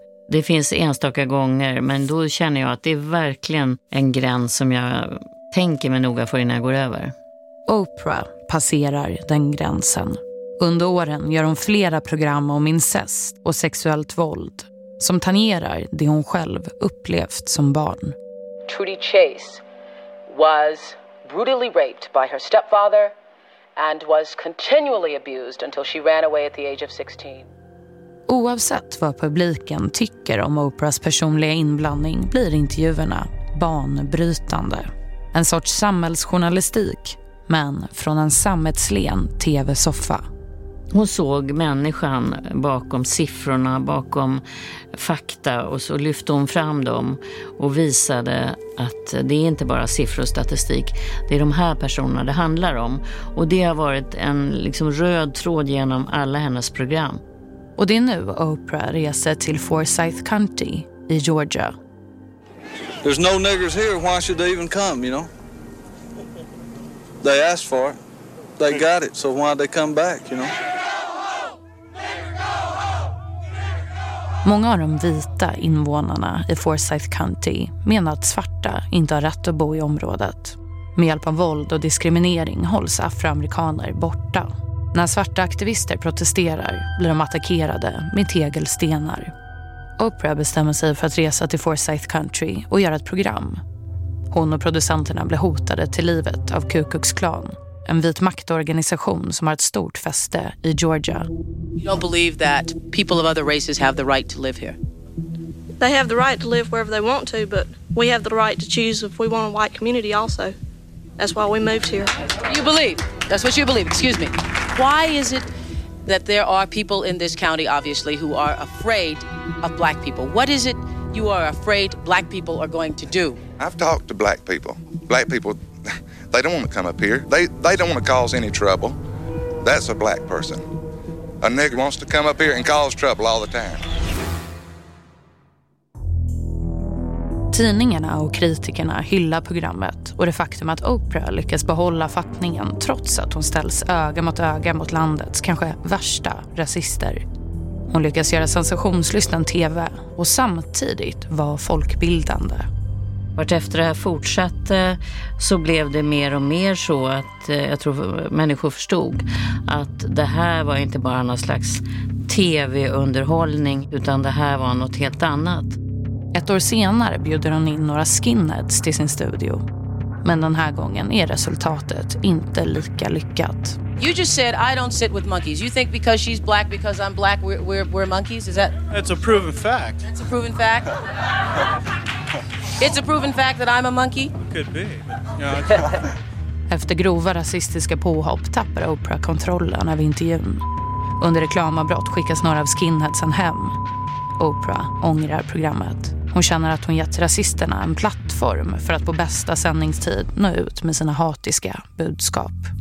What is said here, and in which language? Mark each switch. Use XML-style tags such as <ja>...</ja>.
<sv>Det finns enstaka gånger, men då känner jag att det är verkligen en gräns som jag tänker mig noga för innan jag går över. Oprah passerar den gränsen. Under åren gör hon flera program om incest och sexuellt våld som tangerar det hon själv upplevt som barn. Trudy Chase was brutally raped by her stepfather and was continually abused until she ran away at the age of 16. Oavsett vad publiken tycker om Oprahs personliga inblandning blir intervjuerna banbrytande. En sorts samhällsjournalistik, men från en sammetslen tv-soffa. Hon såg människan bakom siffrorna, bakom fakta, och så lyfte hon fram dem och visade att det är inte bara siffror och statistik. Det är de här personerna det handlar om. Och det har varit en liksom röd tråd genom alla hennes program. Och det är nu Oprah reser till Forsyth County i Georgia.</sv> <en>There's no niggers here. Why should they even come, you know? They asked for it. They got it, so why they come back, you know?</en> <sv>Många av de vita invånarna i Forsyth County menar att svarta inte har rätt att bo i området. Med hjälp av våld och diskriminering hålls afroamerikaner borta. När svarta aktivister protesterar blir de attackerade med tegelstenar. Oprah bestämmer sig för att resa till Forsyth County och göra ett program. Hon och producenterna blir hotade till livet av Ku Klux Klan, en vit maktorganisation som har ett stort fäste i Georgia.</sv> <en>You don't believe that people of other races have the right to live here. They have the right to live wherever they want to, but we have the right to choose if we want a white community also. That's why we moved here. You believe? That's what you believe. Excuse me. Why is it that there are people in this county obviously who are afraid of black people? What is it you are afraid black people are going to do? I've talked to black people. Black people, they don't want to come up here. They don't want to cause any trouble. That's a black person. A nigger wants to come up here and cause trouble all the time.</en> <sv>Tidningarna och kritikerna hyllar programmet och det faktum att Oprah lyckas behålla fattningen trots att hon ställs öga mot landets kanske värsta rasister. Hon lyckas göra sensationslysten TV och samtidigt vara folkbildande. Vart efter det här fortsatte så blev det mer och mer så att jag tror människor förstod att det här var inte bara någon slags tv-underhållning utan det här var något helt annat. Ett år senare bjuder hon in några skinheads till sin studio. Men den här gången är resultatet inte lika lyckat.</sv> <en>You just said I don't sit with monkeys. You think because she's black, because I'm black, we're monkeys? Is that... It's a proven fact. It's a proven fact? It's a proven fact that I'm a monkey? Could be. Yeah,</en> <sv>Efter grova rasistiska påhopp tappar Oprah kontrollen över intervjun. Under reklamavbrott skickas några av skinheadsen hem. Oprah ångrar programmet. Hon känner att hon gett rasisterna en plattform för att på bästa sändningstid nå ut med sina hatiska budskap.</sv>